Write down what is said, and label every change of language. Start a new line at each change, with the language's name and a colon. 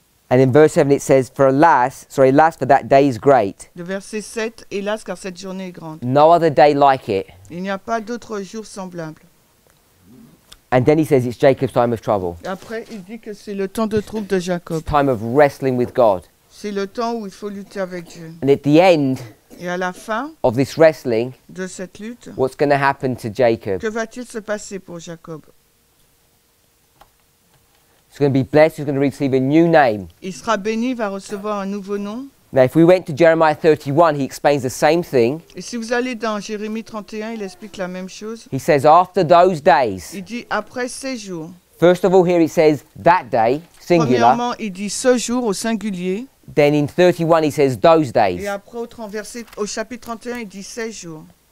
English: And in verse 7 it says, alas, for that day is great.
French: Le verset 7, hélas, car cette journée est grande.
English: No other day like it.
French: Il n'y a pas d'autre jour semblable.
English: And then he says it's Jacob's time of trouble.
French: Après, il dit que c'est le temps de trouble de Jacob.
English: It's time of wrestling with God.
French: C'est le temps où il faut lutter avec Dieu.
English: And at the end of this wrestling,
French: de cette lutte,
English: what's going to happen to Jacob?
French: Que va-t-il se passer pour Jacob?
English: He's going to be blessed, he's going to receive a new name.
French: Il sera béni, va recevoir un nouveau nom.
English: Now if we went to Jeremiah 31, he explains the same thing.
French: Et si vous allez dans Jérémie 31, il explique la même chose.
English: He says after those days.
French: Il dit après ces jours.
English: First of all here it says that day, singular.
French: Premièrement, il dit ce jour au singulier.
English: Then in 31 he says those days.
French: Et après au chapitre 31, il dit ces jours.